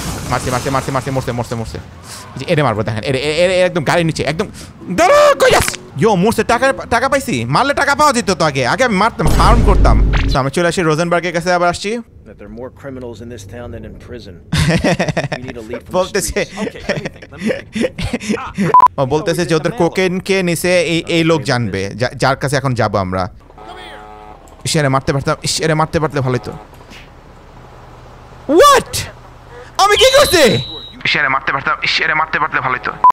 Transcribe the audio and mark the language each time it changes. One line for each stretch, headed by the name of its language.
Bangla: মারছে মারছে মারছে মারছে মরছে মরছে মরছে যে এরে মারবো দেখেন এরে এরে একদম গাড়ির নিচে একদম দাঁড়া কই যাস ইয়ো মরছে টাকা টাকা পাইছি মারলে টাকা পাওয়া যেত তো আগে আগে আমি মারতাম ফার্ম করতাম তো আমি চলে আসি রোজেনবার্গের কাছে আবার আসছি
English: That there are more criminals in this town than in prison. We need a leap from the streets. Okay, let me think. Let me think.
Bangla: বলতেছে যে ওদের কোকেন কে নিছে এই এই লোক জানবে যার কাছে এখন যাব আমরা ইশারে মারতে পারতাম ইশারে মারতে পারলে ভালোই তো হোয়াট আমি কি করছি ইশারে মারতে পারতাম ইশারে মারতে পারলে ভালোই তো